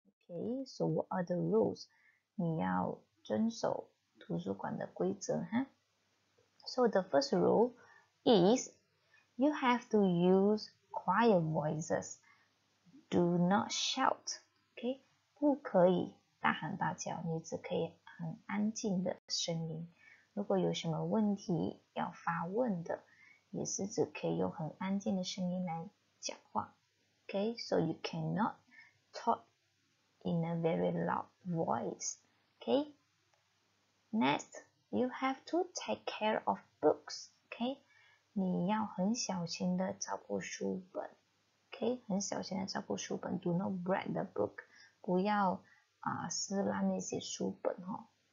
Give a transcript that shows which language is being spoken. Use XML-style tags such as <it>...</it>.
<en>Okay, so what are the rules?</en> <zh>你要遵守图书馆的规则,</zh> <en>huh? So the first rule is you have to use quiet voices. Do not shout.</en> <zh>Okay, 不可以大喊大叫, 你只可以很安静的声音。如果有什么问题要发问的, 也是只可以用很安静的声音来讲话。</zh> <en>Okay, so you cannot talk in a very loud voice. Okay, next, you have to take care of books.</en> <zh>Okay, 你要很小心的照顾书本。 Okay, 很小心的照顾书本,</zh> <en>do not break the book.</en> <zh>不要撕烂那些书本哦。</zh>